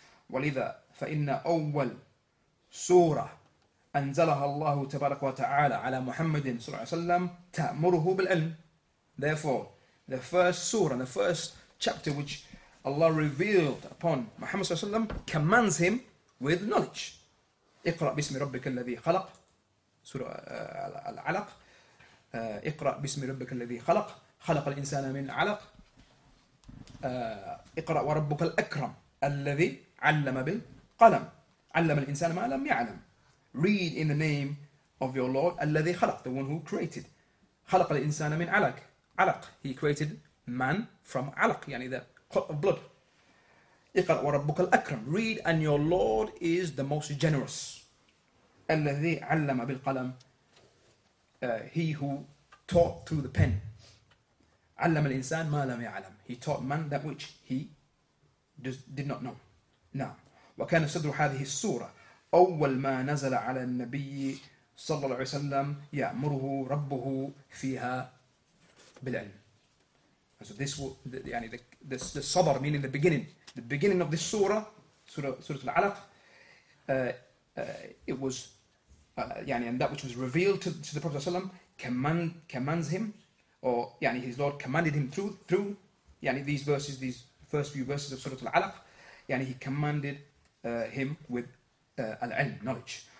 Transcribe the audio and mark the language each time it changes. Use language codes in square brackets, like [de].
[ar] ولذا فإن أول سورة أنزلها الله تبارك وتعالى على محمد صلى الله عليه وسلم تأمره بالعلم. [en] Therefore, the first surah, the first chapter which Allah revealed upon Muhammad صلى الله عليه وسلم commands him with knowledge. [ar] اقرأ باسم ربك الذي خلق, سورة العلق. اقرأ باسم ربك الذي خلق, خلق الإنسان من علق. اقرأ وربك الأكرم الذي علم بالقلم, علم الإنسان ما لم يعلم. [en] Read in the name of your Lord [ar] الذي خلق, [en] the one who created. [ar] خلق الإنسان من علق, علق. [en] He created man from علق, يعني the clot of blood. [ar] اقرأ وربك الأكرم. [en] Read and your Lord is the most generous. [ar] الذي علم بالقلم. [en] He who taught through the pen. [ar] علم الإنسان ما لم يعلم. [en] He taught man that which he did not know. [ar] Now, وكان صدر هذه السورة أول ما نزل على النبي صلى الله عليه وسلم يأمره ربه فيها بالعلم. [en] So this يعني the صدر, meaning the beginning of this سورة, سورة العلق, it was يعني, and that which was revealed to the Prophet ﷺ commands him, or يعني his Lord commanded him through يعني these verses, these first few verses of Surah Al-Alaq, يعني he commanded him with العلم, knowledge.